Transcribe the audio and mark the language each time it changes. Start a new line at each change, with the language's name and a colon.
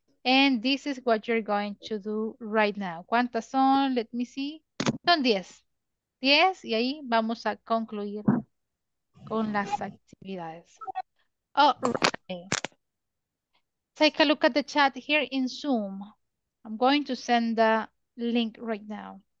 English: And this is what you're going to do right now.
Spanish: ¿Cuántas son?
English: Let me see.
Spanish: Son 10. 10 y ahí vamos a concluir con las actividades.
English: Alright. Take a look at the chat here in Zoom. I'm going to send the link right now.